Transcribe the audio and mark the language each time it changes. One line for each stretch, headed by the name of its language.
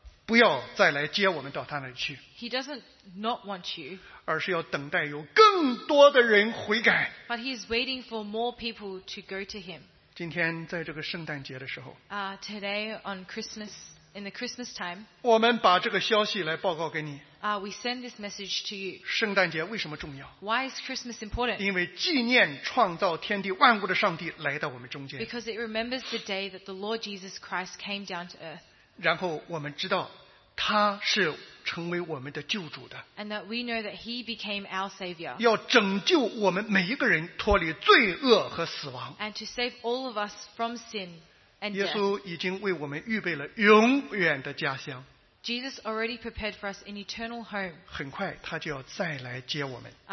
Chinese: 不要再来接我们到他那里去。
English: He doesn't not want you.
Chinese: 而是要等待有更多的人悔改。
English: But he's waiting for more people to go to him.
Chinese: 今天在这个圣诞节的时候。
English: Today on Christmas, in the Christmas time.
Chinese: 我们把这个消息来报告给你。
English: We send this message to you.
Chinese: 圣诞节为什么重要？
English: Why is Christmas important?
Chinese: 因为纪念创造天地万物的上帝来到我们中间。
English: Because it remembers the day that the Lord Jesus Christ came down to earth.
Chinese: 然后我们知道他是成为我们的救主的。
English: And that we know that he became our savior.
Chinese: 要拯救我们每一个人脱离罪恶和死亡。
English: And to save all of us from sin and death.
Chinese: 耶稣已经为我们预备了永远的家乡。
English: Jesus already prepared for us an eternal home.
Chinese: 很快他就要再来接我们。